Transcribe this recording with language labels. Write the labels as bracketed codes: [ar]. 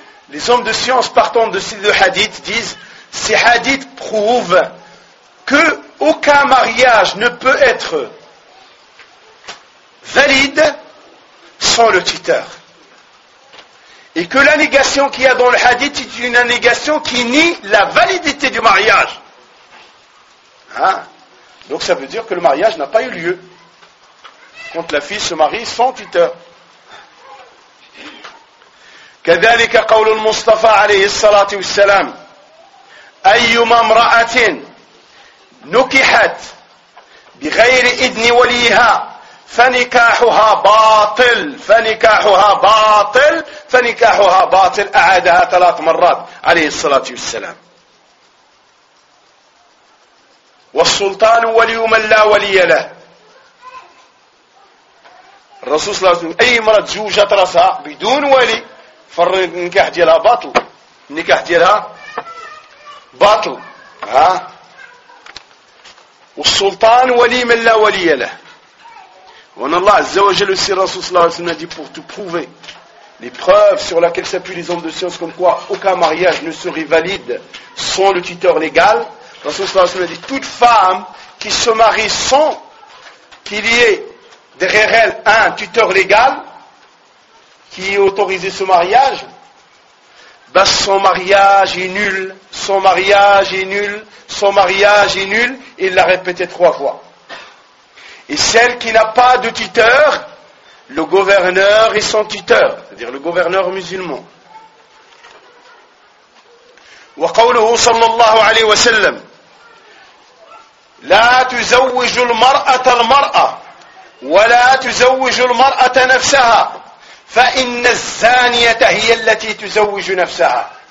[fr] Les hommes de science partant de ces deux hadiths disent « Ces hadiths prouvent qu'aucun mariage ne peut être valide sans le tuteur. » Et que la négation qu'il y a dans le hadith est une négation qui nie la validité du mariage. Hein? Donc ça veut dire que le mariage n'a pas eu lieu. quand la fille se marie sans tuteur. [ar] كذلك قول المصطفى عليه الصلاة والسلام أيما امرأة نكحت بغير إذن وليها فنكاحها باطل فنكاحها باطل فنكاحها باطل أعادها ثلاث مرات عليه الصلاة والسلام. والسلطان ولي من لا ولي له. الرسول صلى الله عليه وسلم أي امرأة تزوجت رأسها بدون ولي فالنكاح ديالها باطل. النكاح ديالها باطل. ها؟ والسلطان ولي من لا ولي له. وان الله عز وجل وسي الرسول صلى الله عليه وسلم دي [fr] pour te prouver les preuves sur laquelle s'appuient les hommes de science comme quoi aucun mariage ne serait valide sans le tuteur légal. Le rasoul [ar] صلى الله عليه وسلم [fr] dit toute femme qui se marie sans qu'il y ait derrière elle un tuteur légal qui ait autorisé ce mariage, ben son mariage est nul, son mariage est nul, son mariage est nul, et il l'a répété trois fois. Et celle qui n'a pas de tuteur, le gouverneur est son tuteur, c'est-à-dire le gouverneur musulman. [ar] وقوله صلى الله عليه وسلم لا تزوج المرأة المرأة ولا تزوج المرأة نفسها فإن الزانية هي التي تزوج نفسها.